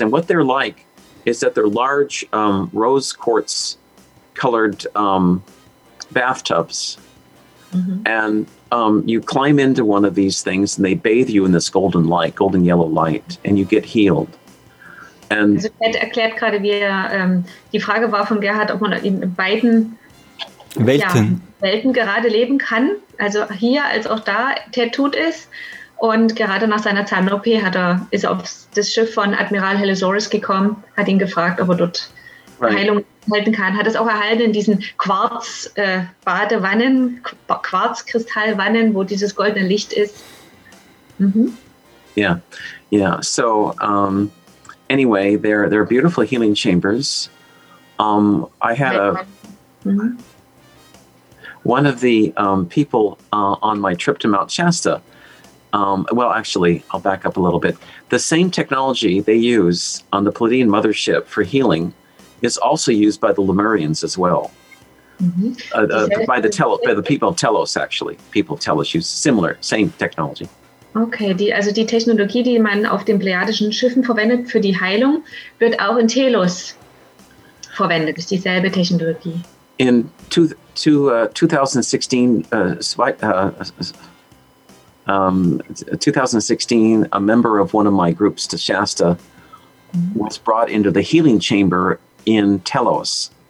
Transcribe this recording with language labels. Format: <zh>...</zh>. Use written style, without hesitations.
<en>And what they're like is that they're large rose quartz colored bathtubs. Mm-hmm. And you climb into one of these things and they bathe you in this golden light, golden yellow light, and you get healed. And</en> <de>also, Ted erklärt gerade, wie die Frage war von Gerhard, ob man in beiden Welten. Ja, Welten gerade leben kann, also hier als auch da, Ted tut es. Und gerade nach seiner Zahn-OP ist er auf das Schiff von Admiral Helosaurus gekommen, hat ihn gefragt, ob er dort Heilung erhalten kann. Hat es auch erhalten in diesen Quarz-Badewannen, Quarz-Kristallwannen, wo dieses goldene Licht ist.</de> <en>Anyway, they're beautiful healing chambers. I had one of the people on my trip to Mount Shasta, well, actually, I'll back up a little bit. The same technology they use on the Pleiadian mothership for healing is also used by the Lemurians as well, by the people of Telos, actually. People of Telos use similar, same technology.</en> <de>Okay, die Technologie, die man auf den pleiadischen Schiffen verwendet für die Heilung, wird auch in Telos verwendet, ist dieselbe Technologie.</de> <en>In 2016, a member of one of my groups to Shasta was brought into the healing chamber in Telos.</en>